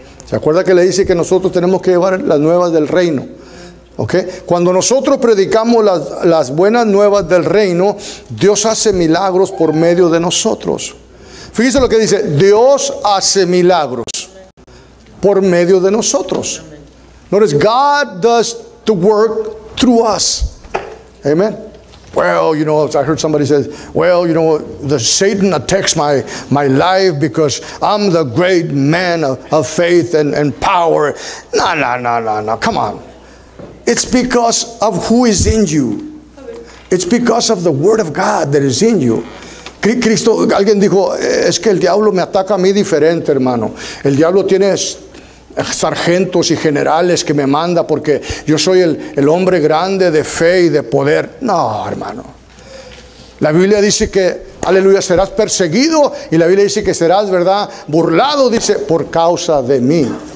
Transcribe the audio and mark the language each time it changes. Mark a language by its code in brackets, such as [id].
[es] ¿Se acuerda que le dice que nosotros tenemos que llevar las nuevas del reino? Okay. Cuando nosotros predicamos las buenas nuevas del reino, Dios hace milagros por medio de nosotros. Fíjese lo que dice, Dios hace milagros por medio de nosotros. [en] Notice, God does the work through us. Amen. Well, you know, I heard somebody say, well, you know, the Satan attacks my life because I'm the great man of faith and power. No, come on. It's because of who is in you. It's because of the word of God that is in you. [es] Cristo, alguien dijo, es que el diablo me ataca a mí diferente, hermano. El diablo tiene sargentos y generales que me manda porque yo soy el hombre grande de fe y de poder. No, hermano. La Biblia dice que, aleluya, serás perseguido. Y la Biblia dice que serás, ¿verdad?, burlado, dice, por causa de mí.